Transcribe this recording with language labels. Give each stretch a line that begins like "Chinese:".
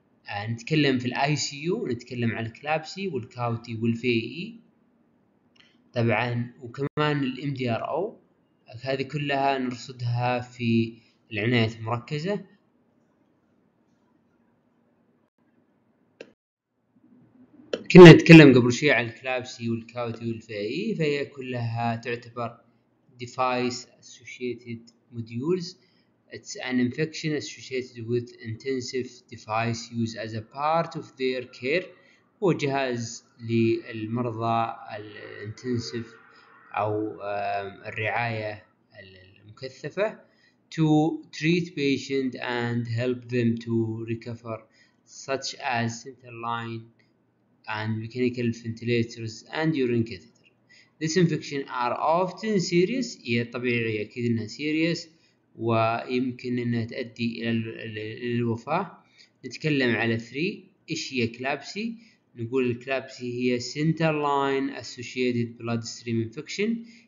Arabic: نتكلم في الاي سي يو، نتكلم على الكلابسي والكاوتي والفي اي طبعا، وكمان الام دي ار او، هذه كلها نرصدها في العناية المركزة. كنا نتكلم قبل شيء عن الكلابسي والكاوتي والفي اي، فهي كلها تعتبر
English: device associated modules. It's an infection associated with intensive device use as a part of their care.
Arabic: هو جهاز للمرضى الانتنسيف او الرعاية المكثفة.
English: To treat patient and help them to recover such as central line and mechanical ventilators and urine catheter. This infection are often serious.
Arabic: هي طبيعية اكيد انها
English: serious
Arabic: ويمكن انها تؤدي الى الوفاة. نتكلم على 3. ايش هي كلابسي؟ نقول الكلابسي هي
English: Central line associated bloodstream infection.